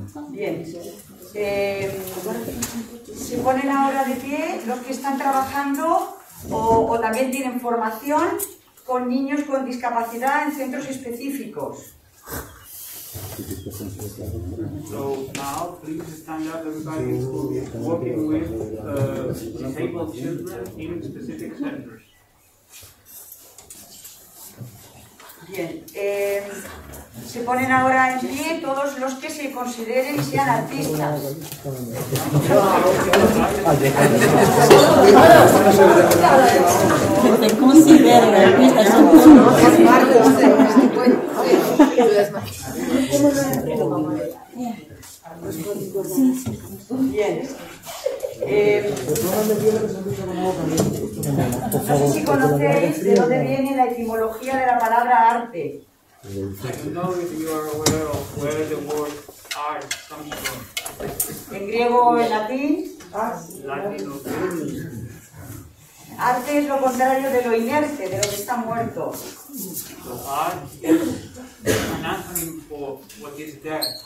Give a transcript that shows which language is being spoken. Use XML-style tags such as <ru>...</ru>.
<es>Bien. Se ponen ahora de pie los que están trabajando o también tienen formación con niños con discapacidad en centros específicos.</es> <en>So now please stand up everybody who is working with disabled children in specific centers.</en> <es>Bien. Se ponen ahora en pie todos los que se consideren sean artistas. Se consideran artistas. Bien. No sé si conocéis de dónde viene la etimología de la palabra arte.</es> <en>I know if you are aware of where the word art comes from.</en> <es>En griego o en latín. Latín o arte es lo contrario de lo inerte, de lo que está muerto.</es> <en>So art is an antonym for what is dead.</en>